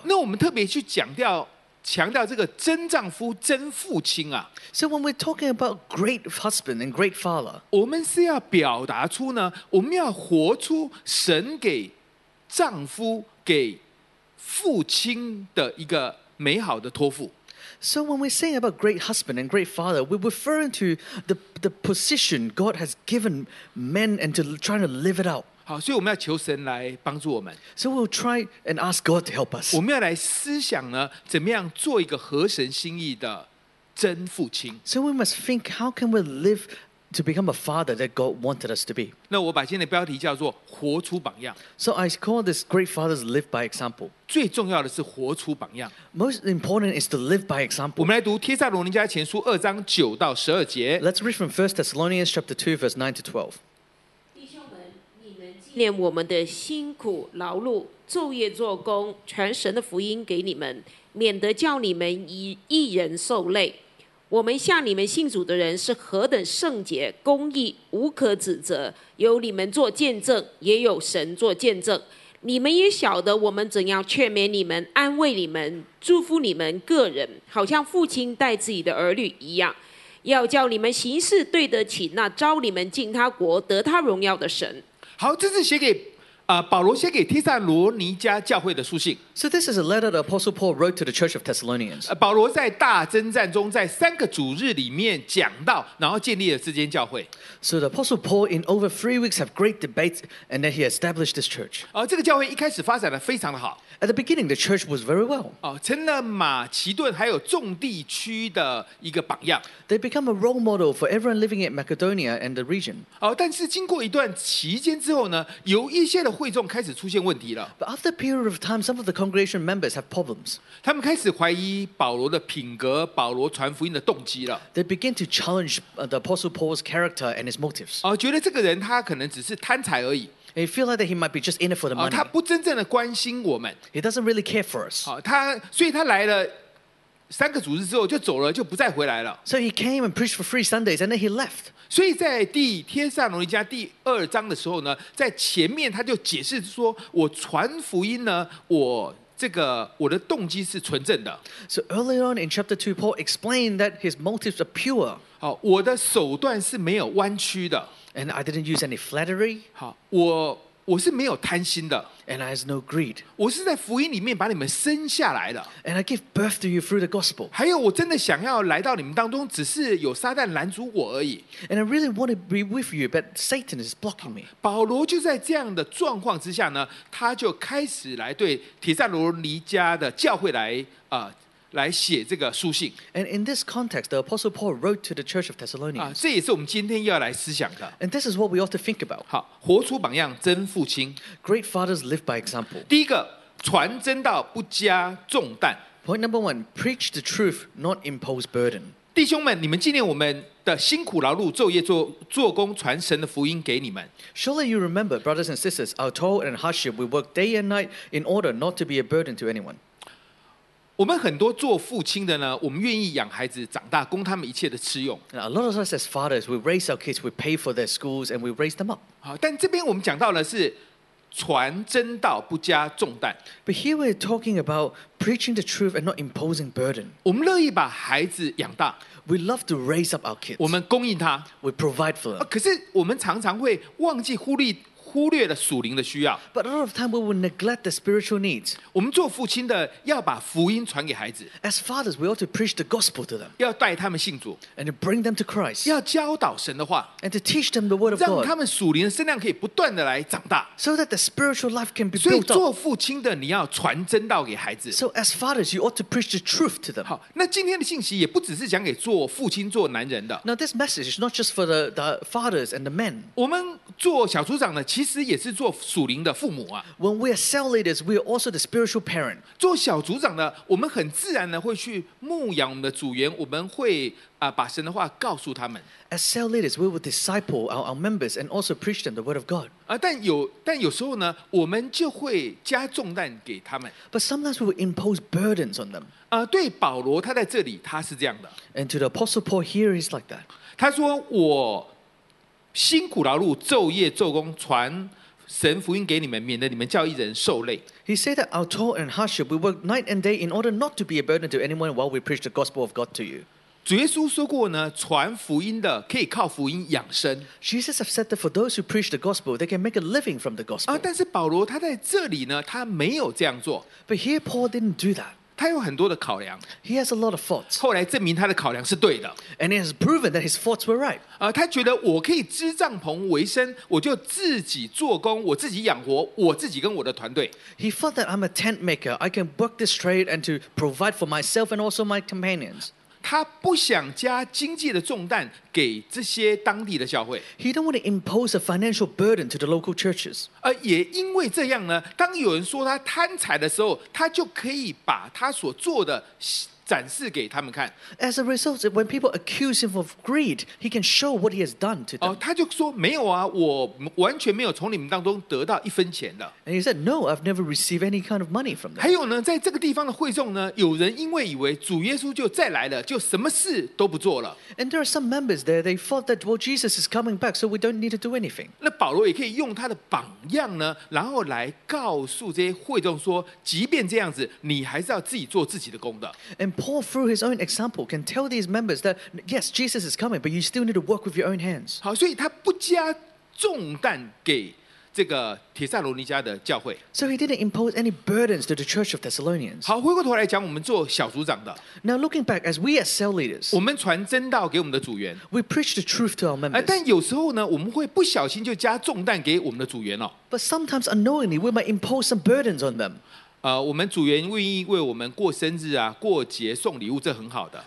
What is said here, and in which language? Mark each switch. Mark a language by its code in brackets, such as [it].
[zh] 那我们特别去强调这个真丈夫、真父亲啊。 [en] So when we're talking about great husband and great father, [zh] 我们是要表达出呢，我们要活出神给丈夫给。父亲的一个美好的托付。 [en] So when we're saying about great husband and great father, we're referring to the position God has given men and to trying to live it out. [zh] 好，所以我们要求神来帮助我们。 [en] So we'll try and ask God to help us. [zh] 我们要来思想呢，怎么样做一个合神心意的真父亲。 [en] So we must think how can we live. To become a father that God wanted us to be. [zh] 那我把今天的标题叫做活出榜样。 [en] So I call this great fathers live by example. [zh] 最重要的是活出榜样。 [en] Most important is to live by example. [zh] 我们来读帖撒罗尼迦前书二章九到十二节。 [en] Let's read from 1 Thessalonians chapter 2 verse 9 to 12. [zh] 弟兄们，你们纪念我们的辛苦劳碌，昼夜做工，传神的福音给你们，免得叫你们一人受累。我们向你们信主的人是何等圣洁、公义，无可指责，有你们做见证，也有神做见证。你们也晓得我们怎样劝勉你们、安慰你们、祝福你们个人，好像父亲带自己的儿女一样，要叫你们行事对得起那招你们进他国、得他荣耀的神。好，这是写给保罗写给提撒罗尼迦教会的书信。 [en] So this is a letter the Apostle Paul wrote to the Church of Thessalonians. [zh] 保罗在大征战中，在三个主日里面讲到，然后建立了这间教会。 [en] So the Apostle Paul, in over 3 weeks, have great debates, and then he established this church. [zh] 这个教会一开始发展的非常的好。 [en] At the beginning, the church was very well. [zh] 成了马其顿还有众地区的一个榜样。 [en] They become a role model for everyone living in Macedonia and the region. [zh] 但是经过一段期间之后呢，有一些的会众开始出现问题了。 [en] But after a period of time, some of the congregation members have problems. [zh] 他们开始怀疑保罗的品格，保罗传福音的动机了。 [en] They begin to challenge the Apostle Paul's character and his motives. [zh] 觉得这个人他可能只是贪财而已。 [en] He feel like that he might be just in it for the money. [zh] 他不真正的关心我们。 [en] He doesn't really care for us. [zh] 所以他来了三个主日之后就走了，就不再回来了。 [en] So he came and preached for 3 Sundays and then he left. [zh] 所以在第帖撒罗尼迦第二章的时候呢，在前面他就解释说，我传福音呢，我的动机是纯正的。 [en] So early on in chapter 2, Paul explained that his motives are pure. [zh] 我的手段是没有弯曲的。 [en] And I didn't use any flattery. [zh] 我是没有贪心的。 [en] And I have no greed. [zh] 我是在福音里面把你们生下来的。 [en] And I give birth to you through the gospel. [zh] 还有我真的想要来到你们当中，只是有撒旦拦阻我而已。 [en] And I really want to be with you, but Satan is blocking me. [zh] 保罗就在这样的状况之下呢，他就开始来对提撒罗尼迦的教会来写这个书信。 [en] And in this context, the Apostle Paul wrote to the Church of Thessalonians. [zh] 这也是我们今天要来思想的。 [en] And this is what we ought to think about. [zh] 好，活出榜样，真父亲。 [en] Great fathers live by example. [zh] 第一个，传真道不加重担。 [en] Point number one, preach the truth, not impose burden. [zh] 弟兄们，你们纪念我们的辛苦劳碌，昼夜做工，传神的福音给你们。 [en] Surely you remember, brothers and sisters, our toil and hardship, we work day and night in order not to be a burden to anyone. [zh] 我们很多做父亲的呢，我们愿意养孩子长大，供他们一切的吃用。 [en] A lot of us as fathers, we raise our kids, we pay for their schools, and we raise them up. [zh] 但这边我们讲到的是传真道不加重担。 [en] But here we're talking about preaching the truth and not imposing burden. [zh] 我们乐意把孩子养大。 [en] We love to raise up our kids. [zh] 我们供应他。 [en] We provide for them. [zh] 可是我们常常会忘记忽略了属灵的需要。 [en] But a lot of time we will neglect the spiritual needs. [zh] 我们做父亲的要把福音传给孩子。 [en] As fathers, we ought to preach the gospel to them. [zh] 要带他们信主。 [en] And to bring them to Christ. [zh] 要教导神的话。 [en] And to teach them the word of God. [zh] 让他们属灵的身量可以不断的来长大。 [en] So that the spiritual life can be built up. [zh] 所以做父亲的你要传真道给孩子。 [en] So as fathers, you ought to preach the truth to them. [zh] 好，那今天的信息也不只是讲给做父亲做男人的。 [en] Now this message is not just for the fathers and the men. [zh] 我们做小组长的其实也是做属灵的父母啊。 [en] When we are cell leaders, we are also the spiritual parent. [zh] 做小组长的，我们很自然的会去牧养我们的组员，我们会把神的话告诉他们。 [en] As cell leaders, we will disciple our members and also preach them the word of God. [zh] 但有时候呢，我们就会加重担给他们。 [en] But sometimes we will impose burdens on them. [zh] 对保罗，他在这里他是这样的。 [en] And to the Apostle Paul here, he's like that. [zh] 他说我。辛苦劳碌，昼夜做工，传神福音给你们，免得你们叫一人受累。 [en] He said that our toil and hardship, we work night and day in order not to be a burden to anyone while we preach the gospel of God to you. [zh] 主耶稣说过呢，传福音的可以靠福音养生。 [en] Jesus has said that for those who preach the gospel, they can make a living from the gospel. [zh] 但是保罗他在这里呢，他没有这样做。 [en] But here Paul didn't do that. [zh] 他有很多的考量。 [en] He has a lot of thoughts. [zh] 后来证明他的考量是对的。 [en] And it has proven that his thoughts were right. [zh] 他觉得我可以支帐篷为生，我就自己做工，我自己养活我自己跟我的团队。 [en] He thought that I'm a tent maker. I can work this trade and to provide for myself and also my companions. [zh] 他不想加经济的重担给这些当地的教会。 [en] He don't want to impose a financial burden to the local churches. [zh] 也因为这样呢，当有人说他贪财的时候，他就可以把他所做的展示给他们看。 [en] As a result, when people accuse him of greed, he can show what he has done to them. [zh] 他就说没有啊，我完全没有从你们当中得到一分钱的。 [en] And he said, No, I've never received any kind of money from them. [zh] 还有呢，在这个地方的会众呢，有人因为以为主耶稣就再来了，就什么事都不做了。 [en] And there are some members there, they thought that, well, Jesus is coming back, so we don't need to do anything. [zh] 那保罗也可以用他的榜样呢，然后来告诉这些会众说，即便这样子，你还是要自己做自己的工的。 [en] And Paul, through his own example, can tell these members that yes, Jesus is coming, but you still need to work with your own hands. [zh] 好，所以他不加重担给这个帖撒罗尼迦的教会。 [en] So he didn't impose any burdens to the church of Thessalonians. [zh] 好，回过头来讲，我们做小组长的。 [en] Now looking back, as we as cell leaders, [zh] 我们传真道给我们的组员。 [en] We preach the truth to our members. [zh] 但有时候呢，我们会不小心就加重担给我们的组员哦。 [en] But sometimes unknowingly, we might impose some burdens on them. [zh] 我们组员愿意为我们过生日啊、过节送礼物，这很好的。